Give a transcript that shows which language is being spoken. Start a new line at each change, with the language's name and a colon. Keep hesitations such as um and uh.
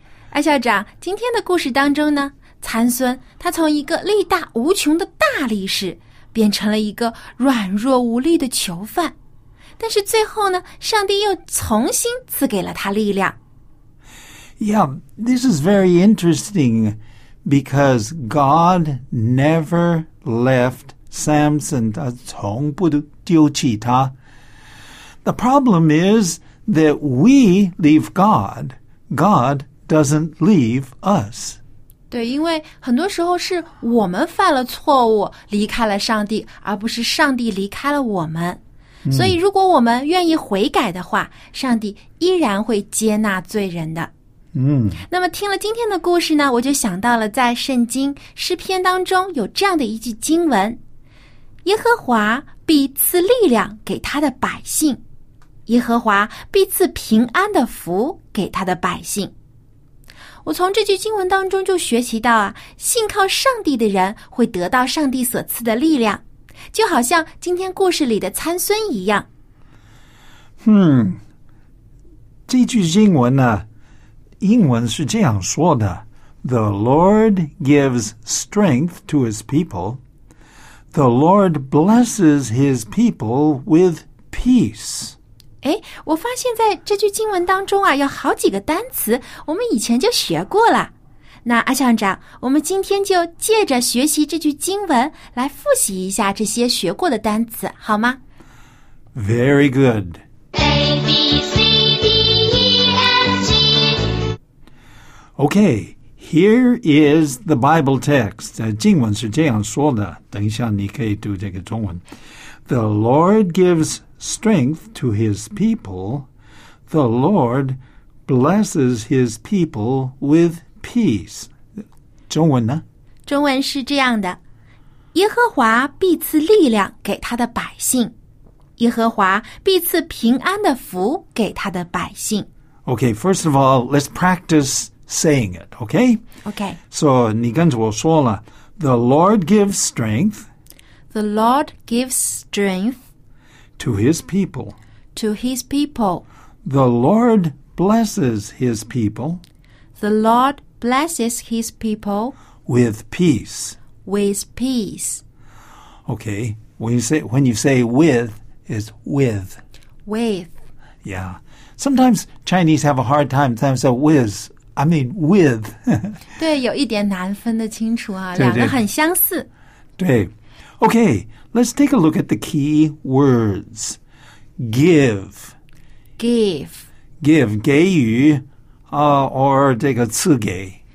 Chinese: 艾校长，今天的故事当中呢，参孙他从一个力大无穷的大力士变成了一个软弱无力的囚犯，但是最后呢，上帝又重新赐给了他力量。
English: Yeah, this is very interesting because God never left Samson
Chinese: 从不丢弃他。
English: The problem is that we leave God. God doesn't leave us.
Chinese: 对，因为很多时候是我们犯了错误，离开了上帝，而不是上帝离开了我们。所以，如果我们愿意悔改的话，上帝依然会接纳罪人的。嗯。那么，听了今天的故事呢，我就想到了在圣经诗篇当中有这样的一句经文。耶和华必赐力量给他的百姓，耶和华必赐平安的福给他的百姓。我从这句经文当中就学习到啊，信靠上帝的人会得到上帝所赐的力量，就好像今天故事里的参孙一样。嗯，这句经文呢，英文是这样说的：
English: “The Lord gives strength to his people。 ” the Lord blesses his people with peace.
Chinese: 哎，我发现在这句经文当中啊，有好几个单词，我们以前就学过了。那阿校长，我们今天就借着学习这句经文来复习一下这些学过的单词，好吗
English: ？Very good. A B C D E F G. Okay. Here is the Bible text.
Chinese: 经文是这样说的。等一下你可以读这个中文。
English: the uh, Lord gives strength to his people. The Lord blesses his people with peace.
Chinese: 中文呢? 中文是这样的。耶和华必赐力量给他的百姓。耶和华必赐平安的福给他的百姓。
English: Okay, first of all, let's practice saying it, okay? Okay. So,
Chinese: 你跟着我说了,
English: the Lord gives strength. The Lord gives strength to his people. To his people. The Lord blesses his people. The Lord blesses his people with peace. With peace. Okay. When you say when you say with is with. With. Yeah. Sometimes Chinese have a hard time. Sometimes a with I mean with.
Chinese: 对，有一点难分得清楚啊，两个很相似。
English: 对，OK, okay, let's take a look at the key words. Give, give, give，
Chinese: 给予啊、
English: uh,，or
Chinese: 这个赐给。